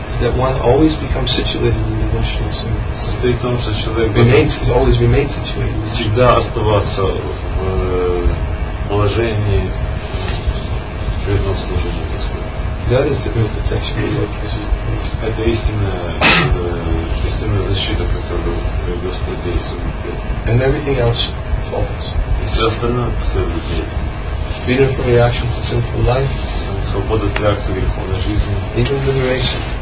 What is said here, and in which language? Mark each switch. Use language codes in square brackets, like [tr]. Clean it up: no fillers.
[en] Is that one always becomes situated in devotional service. [ru] Состоит в том, что человек [en] remains situated. [ru] Всегда оставаться в положении преданного служения Господу. [en] That is the real protection of the Lord Jesus. [ru] Это истинная защита, которую Господь действует. [en] And everything else follows. [ru] И все остальное последует за этим. [en] Freedom from reaction to sinful life. [ru] Свобода от реакции греховной жизни. [en] Even liberation.